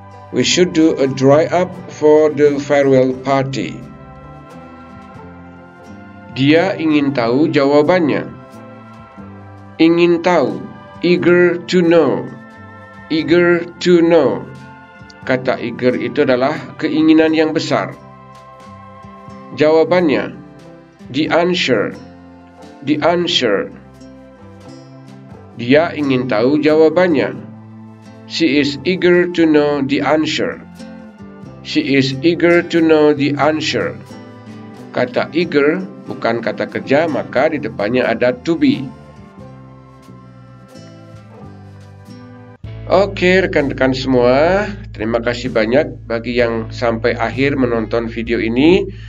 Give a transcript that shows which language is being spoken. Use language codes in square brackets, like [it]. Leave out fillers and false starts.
[en] We should do a dry up for the farewell party. [id] Dia ingin tahu jawabannya. Ingin tahu, [en] eager to know. Eager to know. [id] Kata eager itu adalah keinginan yang besar. Jawabannya, [en] the answer. The answer. [id] Dia ingin tahu jawabannya. [en] She is eager to know the answer. She is eager to know the answer. [id] Kata eager bukan kata kerja, maka di depannya ada to be. Oke, rekan-rekan semua, terima kasih banyak bagi yang sampai akhir menonton video ini.